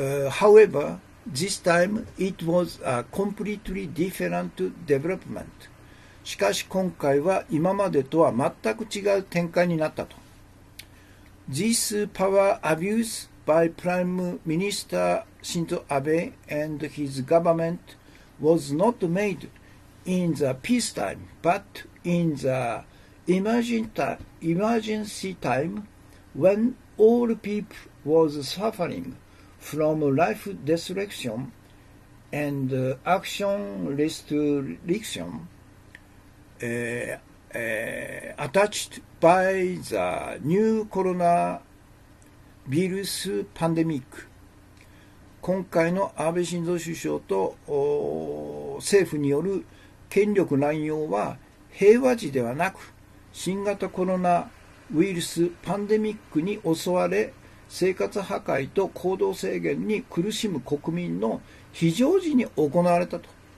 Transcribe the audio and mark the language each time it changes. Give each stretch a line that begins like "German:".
English: However, this time it was a completely different development.
Japanese: しかし今回は今までとは全く違う展開になったと。
English: This power abuse by Prime Minister Shinzo Abe and his government was not made in the peacetime, but in the emergency time when all people was suffering from life destruction and action restriction attached by the new coronavirus pandemic。
Japanese: 今回の安倍晋三首相と政府による権力乱用は平和時ではなく新型コロナウイルスパンデミックに襲われ生活破壊と行動制限に苦しむ国民の非常時に行われたと。